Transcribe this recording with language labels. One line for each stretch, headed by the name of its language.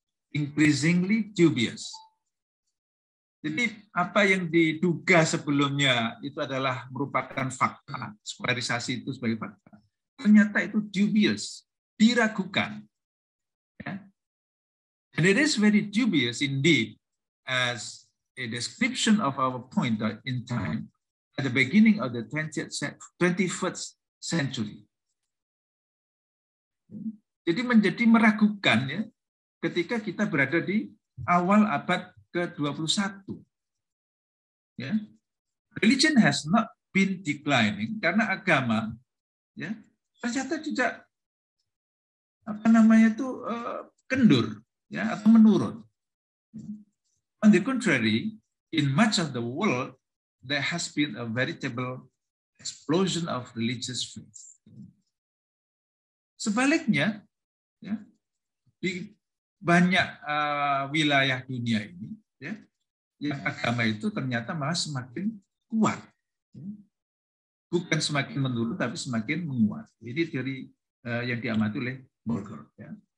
English: Increasingly dubious.
Indonesian: Jadi apa yang diduga sebelumnya itu adalah merupakan fakta, sekularisasi itu sebagai fakta, ternyata itu dubious, diragukan.
English: And it is very dubious indeed as a description of our point in time at the beginning of the 21st century.
Indonesian: Jadi menjadi meragukan ya, ketika kita berada di awal abad ke-21. Ya.
English: Religion has not been declining
Indonesian: karena agama ya, ternyata tidak apa namanya itu kendur ya atau menurun.
English: On the contrary, in much of the world there has been a veritable explosion of religious faith.
Indonesian: Sebaliknya ya, di banyak wilayah dunia ini ya, yang agama itu ternyata malah semakin kuat. Bukan semakin menurun tapi semakin menguat. Ini teori yang diamati oleh Berger ya.